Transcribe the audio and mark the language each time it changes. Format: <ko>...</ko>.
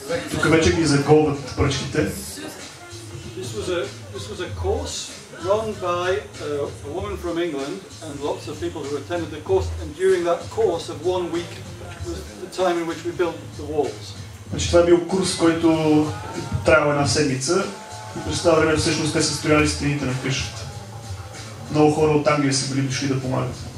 <bg>Тук вече ги заколват пръчките.</bg> <en>This was a course run by a woman from England and lots of people who attended the course, and during that course of one week was the time in which we built the walls.</en> <bg>Значи това е бил курс, който трябва една седмица, и през това време всъщност те са строяли стените на къщата. Много хора от Англия са били дошли да помагат.</bg>